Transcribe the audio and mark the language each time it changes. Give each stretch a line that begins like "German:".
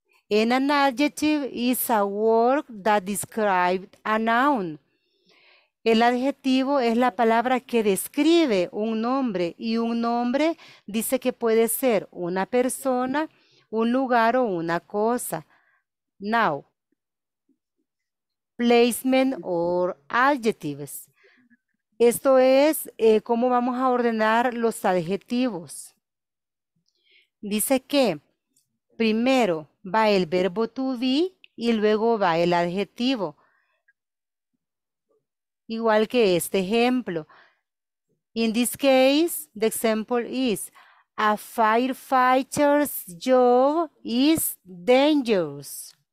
English: And an adjective is a word that describes a noun.
Spanish: El adjetivo es la palabra que describe un nombre y un nombre dice que puede ser una persona, un lugar o una cosa.
English: Now, placement or adjectives.
Spanish: Esto es cómo vamos a ordenar los adjetivos. Dice que primero va el verbo to be y luego va el adjetivo. Igual que este ejemplo.
English: In this case, the example is, a firefighter's job is dangerous.